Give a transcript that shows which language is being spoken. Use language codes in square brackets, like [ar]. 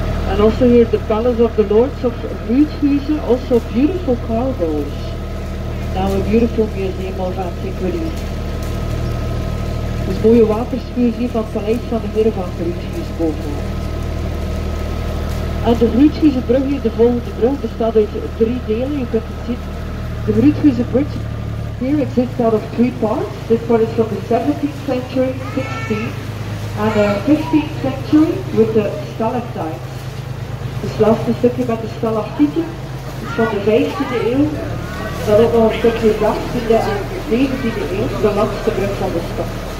[en] And also here the Palace of the Lords of Ruudhuizen, also beautiful cargoes. Now a beautiful museum of antiquities. [nl] Dus mooie waterspuren van het paleis van de heren van Ruudhuizen bovenaan. En de Grootgeuse brug is de volgende brug. Het bestaat uit drie delen, je kunt het zien. De Grootgeuse brug hier [en] exists out of three parts. This one is from the 17th century, 16th and the 15th century with the stalactites. [nl] Het laatste stukje met de stalactieten is van de 15e eeuw. Dan ook nog een stukje 18e en 19e eeuw, de laatste brug van de stad.